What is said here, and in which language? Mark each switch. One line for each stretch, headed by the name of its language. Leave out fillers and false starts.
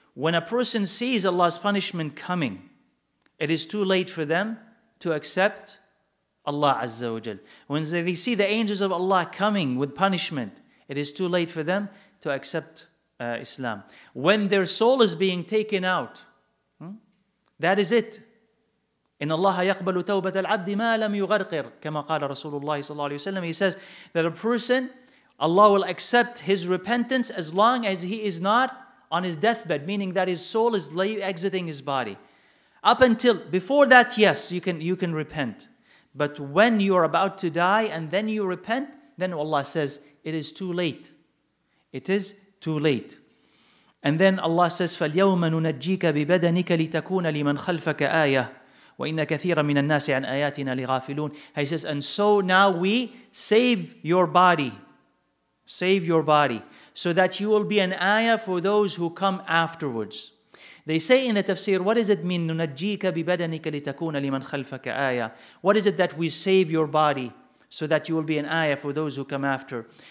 English: When a person sees Allah's punishment coming, it is too late for them to accept Allah Azza wa Jal. When they see the angels of Allah coming with punishment, it is too late for them to accept Islam. When their soul is being taken out, that is it.
Arabic: إن الله يقبل توبة العبد ما لم يغرقر كما قال رسول الله صلى الله عليه وسلم.
English: He says that a person, Allah will accept his repentance as long as he is not on his deathbed, meaning that his soul is exiting his body. Up until, before that, yes, you can repent. But when you're about to die and then you repent, then Allah says, it is too late. It is too late. And then Allah says,
Arabic: فَالْيَوْمَ نُنَجِّيكَ بِبَدَنِكَ لِتَكُونَ لِمَنْ خَلْفَكَ آيَةٌ وَإِنَّ كَثِيرًا مِنَ النَّاسِ عَنْ آيَاتِنَا لِغَافِلُونَ.
English: He says, and so now we save your body. Save your body, so that you will be an ayah for those who come afterwards. They say in the tafsir, what does it mean,
Arabic: نُنَجِّيكَ بِبَدَنِكَ لِتَكُونَ لِمَنْ خَلْفَكَ آيَةٌ.
English: What is it that we save your body so that you will be an ayah for those who come after?